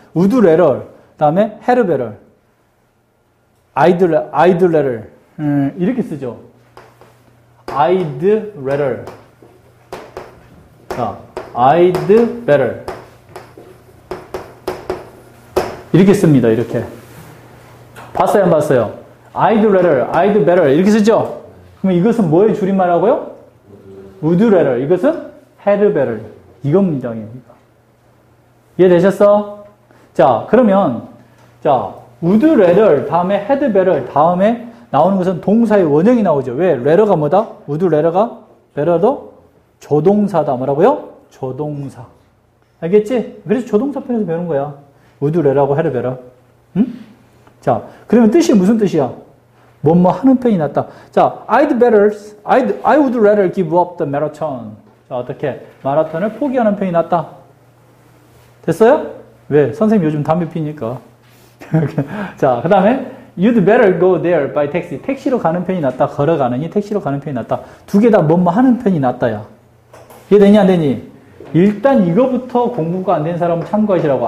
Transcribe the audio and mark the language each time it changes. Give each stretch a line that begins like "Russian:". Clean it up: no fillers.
Korean: 우드레럴. 그 다음에 헤드베럴. 아이드레럴. 이렇게 쓰죠. 아이드레럴. 자, 아이드베럴. 이렇게 씁니다. 이렇게 봤어요? 안 봤어요?
English: I'd rather, I'd better
Korean: 이렇게 쓰죠? 그럼 이것은 뭐의 줄임말하고요?
English: Would rather,
Korean: 이것은
English: had better
Korean: 이건 문장입니다. 이해되셨어? 자, 그러면 자 Would rather, 다음에 had better 다음에 나오는 것은 동사의 원형이 나오죠. 왜? rather가 뭐다? Would rather가 better도 조동사다. 뭐라고요? 조동사. 알겠지? 그래서 조동사 편에서 배운 거야. 우드레라고 헤르베라. 응? 자, 그러면 뜻이 무슨 뜻이야? 뭐뭐 하는 편이 낫다.
English: 자, I'd better, I would rather give up the marathon.
Korean: 자, 어떻게? 마라톤을 포기하는 편이 낫다. 됐어요? 왜? 선생님 요즘 담배 피니까. 자, 그 다음에
English: You'd better go there by taxi.
Korean: 택시로 가는 편이 낫다. 걸어가느니 택시로 가는 편이 낫다. 두 개 다 뭐뭐 하는 편이 낫다야. 이해되니 안 되니? 일단 이거부터 공부가 안 된 사람을 참고하시라고.